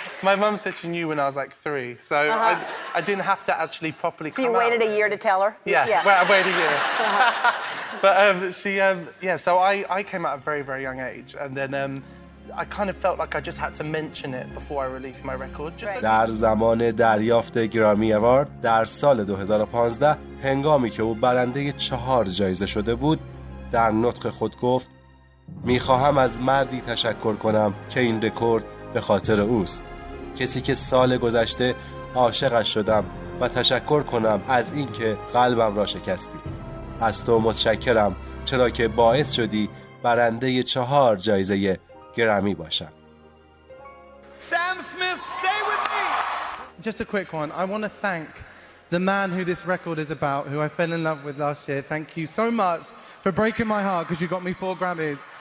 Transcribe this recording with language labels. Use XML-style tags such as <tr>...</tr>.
<en>My mum said she knew when I was like 3, so I didn't have to actually properly. So come you waited out. A year to tell her. Yeah. Well, I waited a year. But so I came out at a very, very young age, and then. I kind of felt like I just had to mention it before I released my record. Right.</en> <fa>در زمان دریافت گرامی اوارد در سال 2015 هنگامی که او برنده 4 جایزه شده بود در نطق خود گفت میخواهم از مردی تشکر کنم که این رکورد به خاطر اوست، کسی که سال گذشته عاشقش شدم و تشکر کنم از اینکه قلبم را شکستی، از تو متشکرم چرا که باعث شدی برنده 4 جایزه گرامی باشم.</fa> <en>Sam Smith, stay with me. Just a quick one. I want to thank the man who this record is about, who I fell in love with last year. Thank you so much for breaking my heart because you got me 4 Grammys.</en>